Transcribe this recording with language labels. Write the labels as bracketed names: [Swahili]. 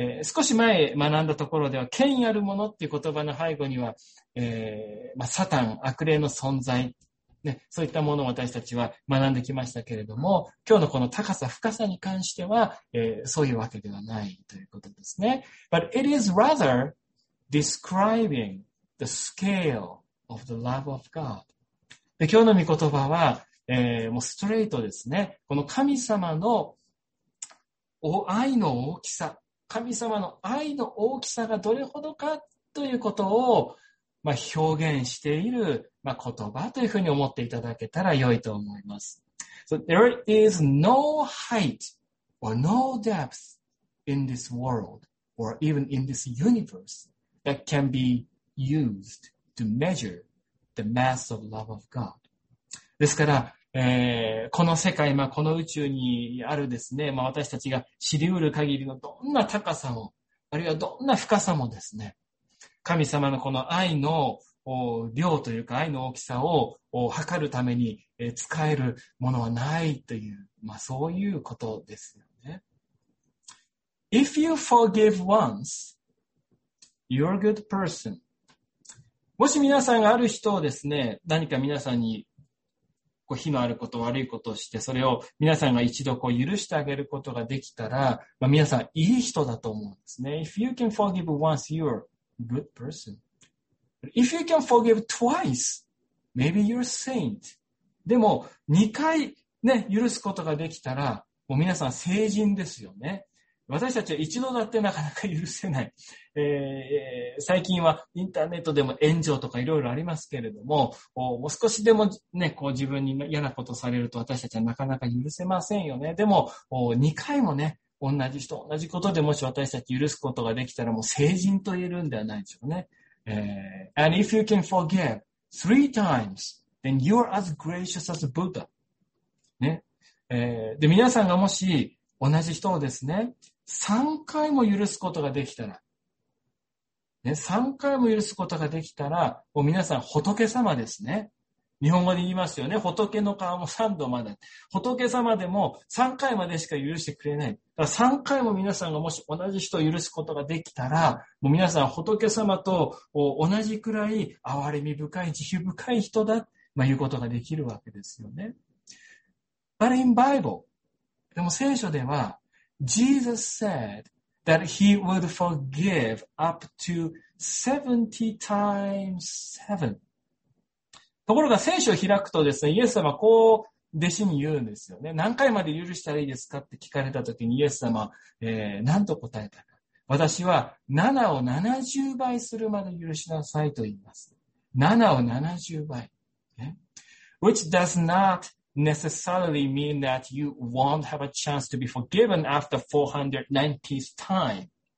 [Japanese] 少し前学んだところでは、権威あるものっていう言葉の背後には、まあ、サタン、悪霊の存在、ね、そういったものを私たちは学んできましたけれども、今日のこの高さ深さに関しては、そういうわけではないということですね。 [English] But it is rather describing the scale of the love of God. [Japanese] で、今日の御言葉は、もうストレートですね、この神様の愛の大きさ、神様の愛の大きさがどれほどかということを、まあ、表現している、まあ、言葉というふうに思っていただけたら良いと思います。 [English] So there is no height or no depth in this world or even in this universe that can be used to measure the mass of love of God. [Japanese] ですから、この世界、まあ、この宇宙にあるですね、まあ、私たちが知り得る限りのどんな高さも、あるいはどんな深さもですね、神様のこの愛の量というか愛の大きさを測るために使えるものはないという、まあ、そういうことですよね。 [English] If you forgive once, you're a good person. [Japanese] もし皆さんがある人をですね、何か皆さんに、こう、非のあること、悪いことをして、それを皆さんが一度こう、許してあげることができたら、まあ、皆さん、いい人だと思うんですね。 [English] If you can forgive once, you're a good person. If you can forgive twice, maybe you're a saint. [Japanese] でも、2回ね、許すことができたら、もう皆さん、聖人ですよね。私たちは一度だってなかなか許せない。最近はインターネットでも炎上とかいろいろありますけれども、もう少しでもね、こう自分に嫌なことされると私たちはなかなか許せませんよね。でも、2回もね、同じ人、同じことでもし私たち許すことができたらもう成人と言えるんではないでしょうね。 [English] And if you can forgive three times, then you're as gracious as Buddha. [Japanese] ね。で、皆さんがもし、同じ人をですね、3回も許すことができたら、ね、3回も許すことができたら、もう皆さん仏様ですね。日本語で言いますよね。仏の顔も3度まで。仏様でも3回までしか許してくれない。だから3回も皆さんがもし同じ人を許すことができたら、もう皆さん仏様と同じくらい憐れみ深い、慈悲深い人だ、まあ、いうことができるわけですよね。 [English] But in Bible, [Japanese] でも聖書では、 [English] Jesus said that he would forgive up to 70 times 7. [Japanese] ところが聖書を開くとですね、イエス様はこう弟子に言うんですよね。何回まで許したらいいですかって聞かれた時にイエス様は、何と答えたか。私は7を70倍するまで許しなさいと言います。 7を70倍。Okay? [English] Which does notnecessarily mean that you won't have a chance to be forgiven after 490th time.